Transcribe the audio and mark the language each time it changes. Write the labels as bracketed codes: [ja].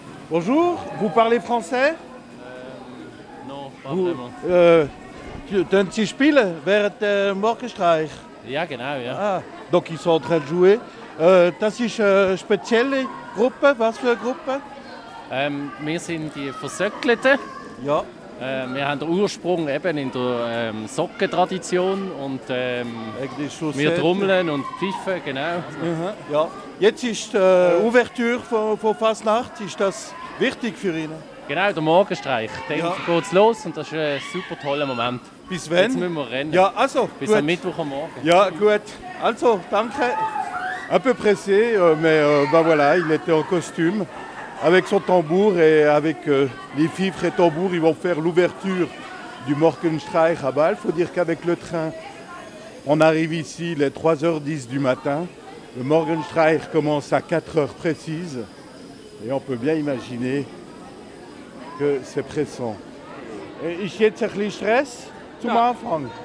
[fr] Bonjour, vous parlez français? Non, pas vous, vraiment. [de] Tu sie spielen während Morgenstreich? Ja, genau, ja. [fr] Ah, donc ils sont en train de jouer. [de] Das ist spezielle Gruppe, was für Gruppe? Wir sind die Versöckleten. Ja. Wir haben den Ursprung eben in der Sockentradition und wir trommeln und pfiffen, genau. Uh-huh. Ja. Jetzt ist Ouverture von Fasnacht, ist das wichtig für ihn? Genau, der Morgenstreich. Dann ja. geht es los und das ist ein super toller Moment. Bis wann? Jetzt müssen wir rennen. Ja, also, bis gut. am Mittwoch am Morgen. Ja, gut. Also, danke. [fr] Un peu pressé, mais ben voilà, il était en costume avec son tambour et avec les fifres et tambours, ils vont faire l'ouverture du Morgenstreich à Bâle. Il faut dire qu'avec le train, on arrive ici les 3h10 du matin. Le Morgenstreich commence à 4 heures précises et on peut bien imaginer que c'est pressant. [de] Et ist jetzt ein bisschen Stress zum Anfang?